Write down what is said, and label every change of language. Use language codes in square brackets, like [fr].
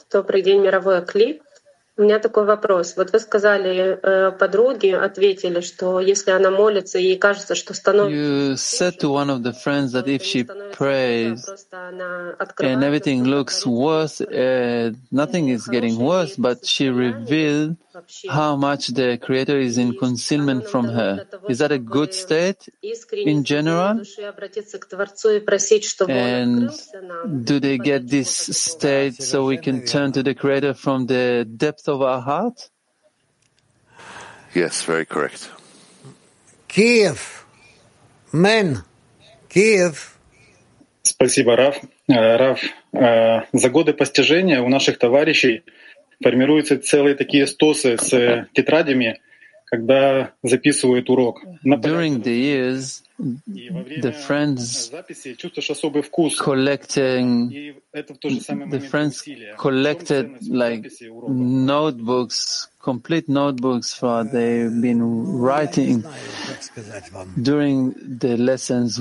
[ru] Добрый день, мировой клип. У меня такой вопрос. Вот вы сказали подруге, ответили, что если она молится, ей кажется, что становится... [en] You said to one of the friends that if she prays and everything looks worse, nothing is getting worse, but she revealed how much the Creator is in concealment from her. Is that a good state in general? And do they get this state so we can turn to the Creator from the depth of our heart? Yes, very correct. Kiev. Men. Kiev. [ru] Спасибо, Раф. Раф, за годы постижения у наших товарищей формируются целые такие стосы с тетрадями, когда записывают урок. [en] During the years, the friends collecting, the friends collected like notebooks, complete notebooks for they've been writing during the lessons.